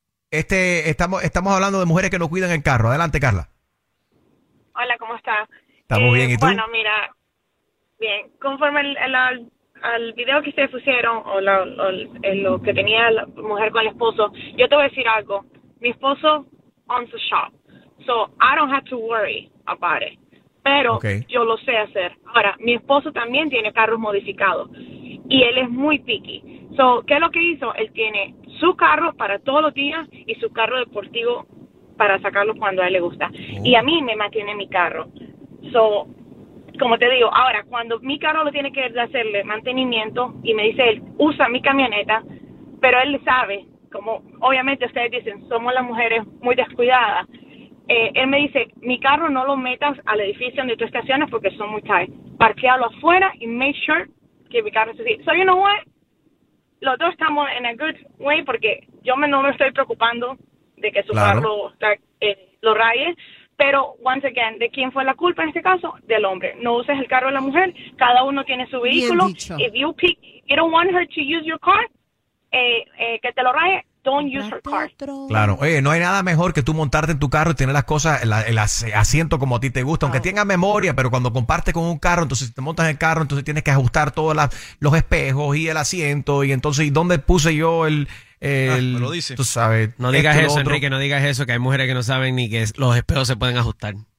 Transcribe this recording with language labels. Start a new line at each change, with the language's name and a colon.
Spanish: Estamos hablando de mujeres que no cuidan el carro. Adelante, Carla. Hola, ¿cómo está? Estamos bien, ¿y tú? Bueno, mira, bien, conforme al video que ustedes pusieron, o lo que tenía la mujer con el esposo, yo te voy a decir algo. Mi esposo
English: owns a shop, so I don't have to worry about it.
Spanish: Pero yo lo sé hacer. Ahora, mi esposo también tiene carros modificados, y él es muy picky. So, ¿qué es lo que hizo? Él tiene su carro para todos los días y su carro deportivo para sacarlo cuando a él le gusta. Y a mí me mantiene mi carro. So, como te digo, ahora, cuando mi carro lo tiene que hacerle mantenimiento y me dice él, usa mi camioneta, pero él sabe, como obviamente ustedes dicen, somos las mujeres muy descuidadas. Él me dice, mi carro no lo metas al edificio donde tú estacionas porque son muy tight. Parquéalo afuera y
English: make sure
Spanish: que mi carro esté así.
English: So, you know what?
Spanish: Los dos estamos en
English: a good way
Spanish: porque yo no me estoy preocupando de que su carro lo raye. Pero,
English: once again,
Spanish: ¿de quién fue la culpa en este caso? Del hombre. No uses el carro de la mujer. Cada uno tiene su vehículo.
English: If you pick, you don't want her to use your car,
Spanish: que te lo raye,
English: don't use her car.
Spanish: Claro. Oye, no hay nada mejor que tú montarte en tu carro y tener las cosas, el asiento como a ti te gusta. Aunque tenga memoria, pero cuando compartes con un carro, entonces si te montas en el carro, entonces tienes que ajustar todos los espejos y el asiento. Y entonces, ¿y dónde puse yo el...? Lo dice. Tú sabes. No digas eso, Enrique, no digas eso, que hay mujeres que no saben ni que los espejos se pueden ajustar.